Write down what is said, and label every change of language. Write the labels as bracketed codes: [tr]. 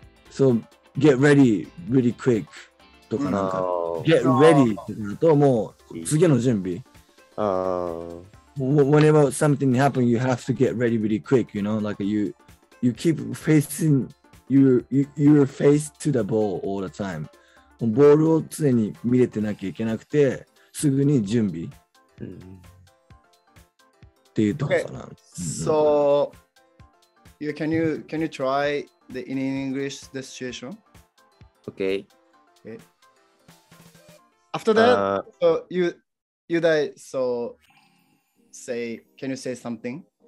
[en] So get ready really quick. [ja] とかなんか、 [en] get ready [ja] ってなるともう次の準備。 [en] Whenever something happens, you have to get ready really quick, you know? Like you keep facing your face to the ball all the time. [ja] ボールを常に見れてなきゃいけなくて、すぐに準備。 [en] Okay. So, can you try the in English the situation? Okay. After that, so say, can you say something?